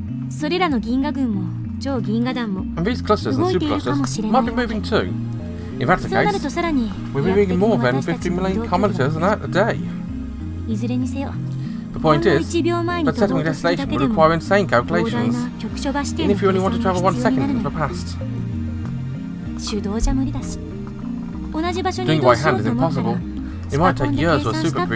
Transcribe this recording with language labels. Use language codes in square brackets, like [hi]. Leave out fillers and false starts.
[ja] それらの銀河群も超銀河団も動いているかもしれない。 [en] Might be moving too. If that's the case, we'll be moving more than 50 million kilometers an hour a day. [ja] いずれにせよ。 [en] The point is, but setting a destination would require insane calculations. Even if you only want to travel 1 second in the past. [ja] 手動じゃ無理だし。同じ場所に移動しようと思ったら、スパコンで計算したって。